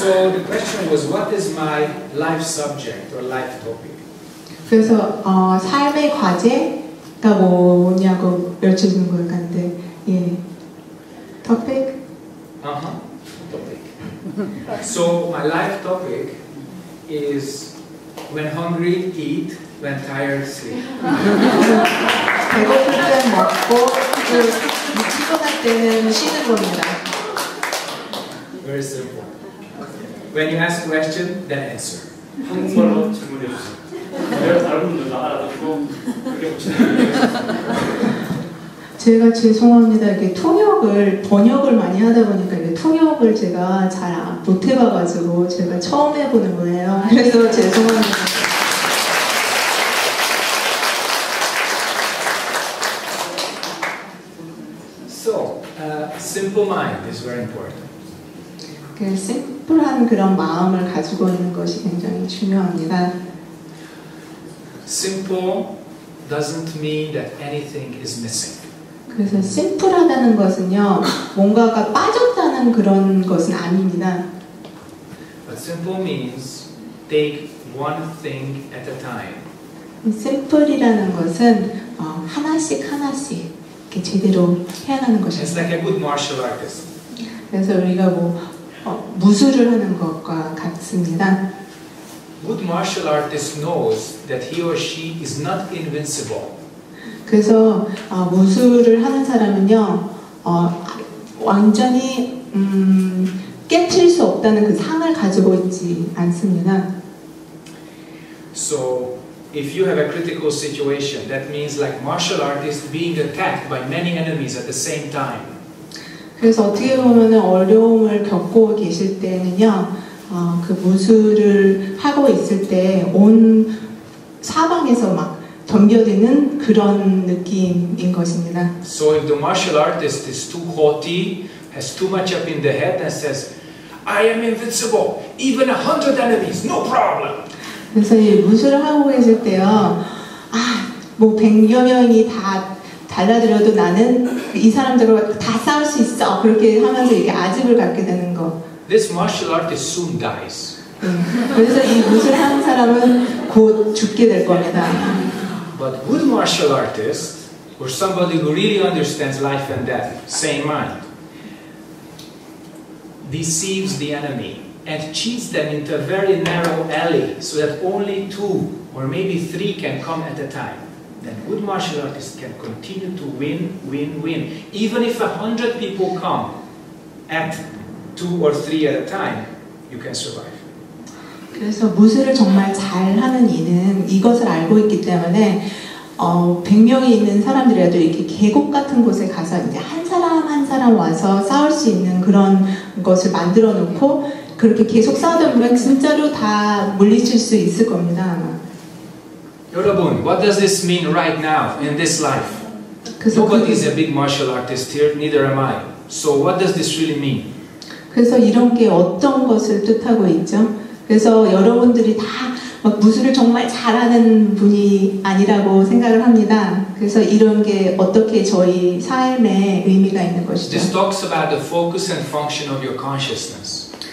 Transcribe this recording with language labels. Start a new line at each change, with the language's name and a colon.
English: So the question was, what is my life subject or life topic?
Korean: 그래서 삶의 과제가 뭐냐고 여쭙는 것 같은데, 예.
English: Topic? Uh-huh. Topic. So my life topic is when hungry, eat. When tired, sleep.
Korean: 배고플 때는 먹고, 피곤할 때는 쉬는 겁니다.
English: Very simple. When you ask a question, then answer.
Korean: 한국말로 질문해 주세요. 내가 다른 분들 다 알아듣고 그렇게 제가 죄송합니다. 이게 통역을 번역을 많이 하다 보니까 이게 통역을 제가 잘 못 해봐가지고 제가 처음 해보는 거예요. 그래서 죄송합니다.
English: So, simple mind is very important.
Korean: 심플한 그런 마음을 가지고 있는 것이 굉장히 중요합니다.
English: Simple doesn't mean that anything is missing.
Korean: 그래서 심플하다는 것은요, 뭔가가 빠졌다는 그런 것은 아닙니다.
English: But simple means take one thing at a time.
Korean: 심플이라는 것은 하나씩 하나씩 이렇게 제대로 해야 하는 것입니다.
English: It's like a good martial artist.
Korean: 그래서 우리가 뭐 무술을 하는 것과 같습니다.
English: Good martial artist knows that he or she is not invincible.
Korean: 그래서 무술을 하는 사람은요, 완전히 깨칠 수 없다는 그 상을 가지고 있지 않습니다.
English: So, if you have a critical situation, that means like martial artist being attacked by many enemies at the same time.
Korean: 그래서 어떻게 보면 어려움을 겪고 계실 때는요, 그 무술을 하고 있을 때 온 사방에서 막 덤벼드는 그런 느낌인 것입니다.
English: So if the martial artist is too haughty, has too much up in the head and says, I am invincible, even 100 enemies, no problem.
Korean: 그래서 이 무술을 하고 계실 때요, 아, 뭐 백여 명이 다 달라들어도 나는 이 사람들과 다 싸울 수 있어 그렇게 하면서 이게 아집을 갖게 되는 거.
English: This martial artist soon dies.
Korean: 그래서 이 무술 하는 사람은 곧 죽게 될 겁니다.
English: But good martial artist or somebody who really understands life and death, same mind, deceives the enemy and cheats them into a very narrow alley so that only two or maybe three can come at a time, then good martial artists can continue to win, win, win. Even if 100 people come at two or three at a time, you can survive.
Korean: 그래서 무술을 정말 잘하는 이는 이것을 알고 있기 때문에 100명이 있는 사람들이라도 이렇게 계곡 같은 곳에 가서 이제 한 사람 한 사람 와서 싸울 수 있는 그런 것을 만들어 놓고 그렇게 계속 싸우다 보면 진짜로 다 물리칠 수 있을 겁니다. 여러분,
English: what does this mean right now in this life? Nobody is a big martial artist here, neither am I. So what does this really mean?
Korean: 그래서 이런 게 어떤 것을 뜻하고 있죠? 그래서 여러분들이 다 막 무술을 정말 잘하는 분이 아니라고 생각을 합니다. 그래서 이런 게 어떻게 저희 삶에 의미가 있는 것이죠?
English: This talks about the focus and function of your consciousness.